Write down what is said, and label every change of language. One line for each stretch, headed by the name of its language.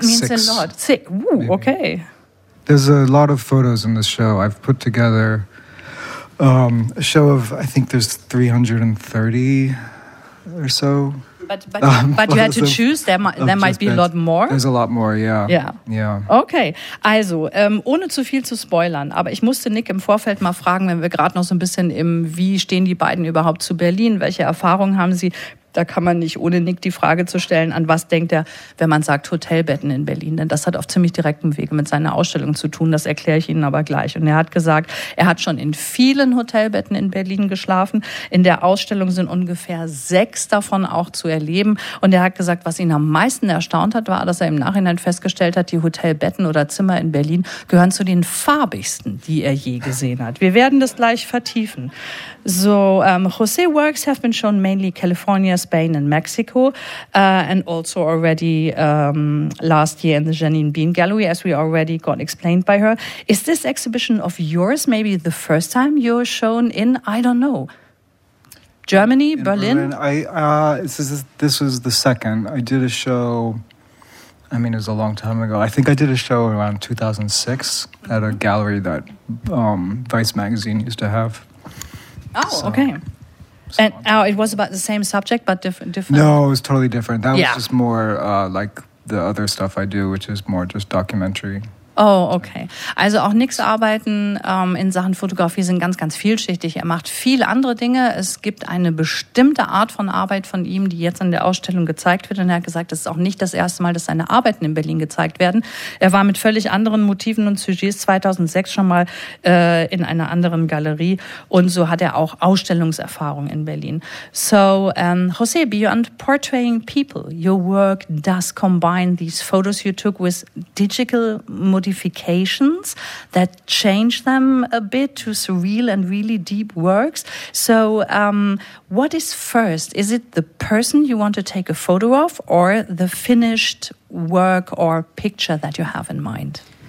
English: six. Ooh, maybe. Okay. There's a lot of photos in the show. I've put together a show of, I think there's 330 or so. But you had to choose, there might be a lot more. There's a lot more, yeah. Yeah.
German: Okay, also, ohne zu viel zu spoilern, aber ich musste Nick im Vorfeld mal fragen, wenn wir gerade noch so ein bisschen im, wie stehen die beiden überhaupt zu Berlin, welche Erfahrungen haben sie, da kann man nicht ohne Nick die Frage zu stellen, an was denkt er, wenn man sagt Hotelbetten in Berlin, denn das hat auf ziemlich direktem Wege mit seiner Ausstellung zu tun, das erkläre ich Ihnen aber gleich. Und er hat gesagt, er hat schon in vielen Hotelbetten in Berlin geschlafen, in der Ausstellung sind ungefähr 6 davon auch zu erleben und er hat gesagt, was ihn am meisten erstaunt hat, war, dass er im Nachhinein festgestellt hat, die Hotelbetten oder Zimmer in Berlin gehören zu den farbigsten, die er je gesehen hat. Wir werden das gleich vertiefen.
English: So, Jose works have been shown mainly California, Spain and Mexico, and also already last year in the Janine Bean Gallery, as we already got explained by her. Is this exhibition of yours maybe the first time you're shown in, I don't know, Germany, in Berlin? This was the second. I did a show, it was a long time ago. I think I did a show around 2006 at a gallery that Vice magazine used to have. It was about the same subject, but different. No, it was totally different. That was just more like the other stuff I do, which is more just documentary. Oh, okay.
German: Also auch Nicks Arbeiten in Sachen Fotografie sind ganz, ganz vielschichtig. Er macht viele andere Dinge. Es gibt eine bestimmte Art von Arbeit von ihm, die jetzt in der Ausstellung gezeigt wird. Und er hat gesagt, das ist auch nicht das erste Mal, dass seine Arbeiten in Berlin gezeigt werden. Er war mit völlig anderen Motiven und Sujets 2006 schon mal in einer anderen Galerie. Und so hat er auch Ausstellungserfahrung in Berlin.
English: So, Jose, beyond portraying people, your work does combine these photos you took with digital modifications that change them a bit to surreal and really deep works. So what is first? Is it the person you want to take a photo of or the finished work or picture that you have in mind?